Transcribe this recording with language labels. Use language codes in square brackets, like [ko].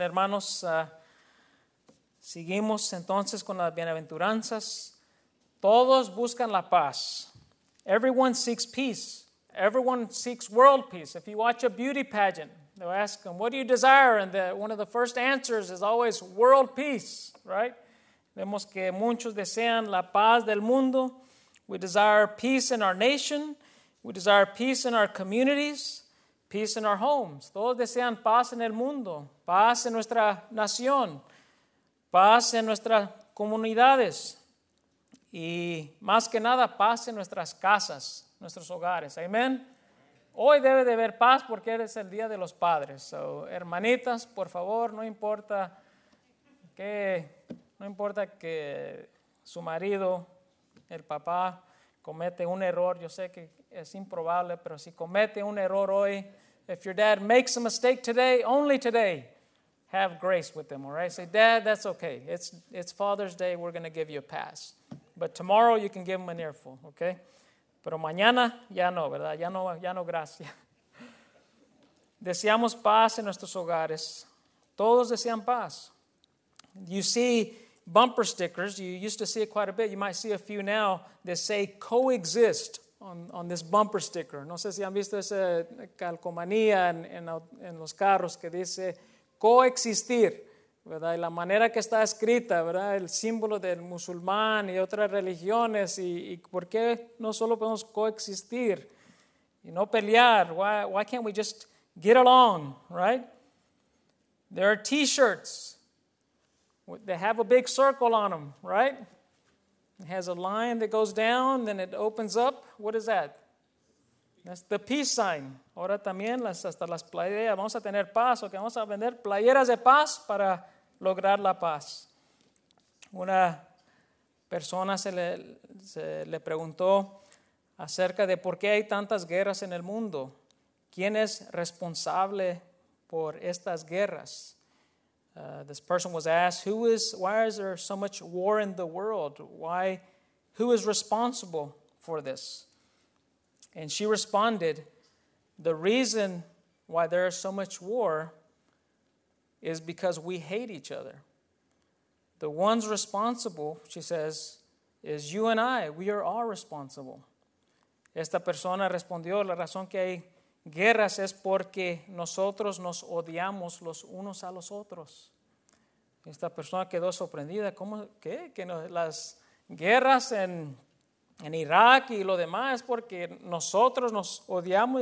[es] amen, hermanos. Seguimos entonces con las bienaventuranzas. Todos buscan la paz. [en] Everyone seeks peace. Everyone seeks world peace. If you watch a beauty pageant, they'll ask them, "What do you desire?" And one of the first answers is always world peace, right? [es] Vemos que muchos desean la paz del mundo. [en] We desire peace in our nation. We desire peace in our communities, peace in our homes. [es] Todos desean paz en el mundo, paz en nuestra nación, paz en nuestras comunidades, y más que nada, paz en nuestras casas, nuestros hogares. Amén. Hoy debe de haber paz porque es el Día de los Padres. So, hermanitas, por favor, no importa que su marido, el papá, comete un error. Yo sé que es improbable, pero si comete un error hoy, [en] if your dad makes a mistake today, only today, have grace with him, all right? Say, "Dad, that's okay. It's Father's Day. We're going to give you a pass. But tomorrow you can give him an earful, okay? [es] Pero mañana ya no, ¿verdad? Ya no gracia." Deseamos paz en nuestros hogares. Todos desean paz. [en] You see bumper stickers. You used to see it quite a bit. You might see a few now that say coexist on this bumper sticker. [es] No sé si han visto esa calcomanía en los carros que dice coexistir, ¿verdad? Y la manera que está escrita, ¿verdad? El símbolo del musulmán y otras religiones. ¿Y por qué no solo podemos coexistir y no pelear? [en] Why can't we just get along, right? There are t-shirts. They have a big circle on them, right? It has a line that goes down, then it opens up. What is that? That's the peace sign. [es] Ahora también hasta las playeras. Vamos a tener paz. Okay, vamos a vender playeras de paz para lograr la paz. Una persona se le preguntó acerca de por qué hay tantas guerras en el mundo. ¿Quién es responsable por estas guerras? [en] This person was asked, why is there so much war in the world? Who is responsible for this? And she responded, the reason why there is so much war is because we hate each other. The ones responsible, she says, is you and I. We are all responsible. [es] Esta persona respondió, la razón que hay guerras es porque nosotros nos odiamos los unos a los otros. Esta persona quedó sorprendida. ¿Cómo? ¿Qué? ¿Que no, las guerras en Irak y lo demás porque nosotros nos odiamos?